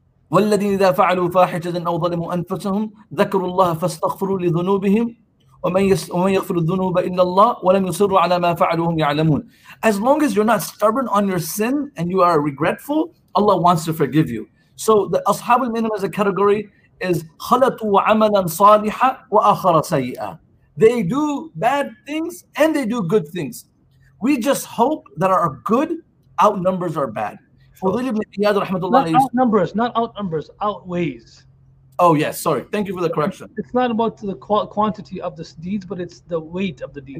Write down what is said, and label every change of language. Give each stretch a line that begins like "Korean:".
Arabic: والذين إذا فعلوا فاحشة أو ظلموا أنفسهم ذكروا الله فاستغفروا لذنوبهم ومن يغفر الذنوب إلا الله ولم يصروا على ما فعلوا هم يعلمون.
English: As long as you're not stubborn on your sin and you are regretful, Allah wants to forgive you. So the
Arabic: أصحاب المينم
English: as a category is
Arabic: خلطوا عملا صالحا وآخر سيئا.
English: They do bad things and they do good things. We just hope that our good outnumbers our bad. Not outnumbers, outweighs. Oh, yes. Sorry. Thank you for the correction. It's not about the quantity of the deeds, but it's the weight of the deeds.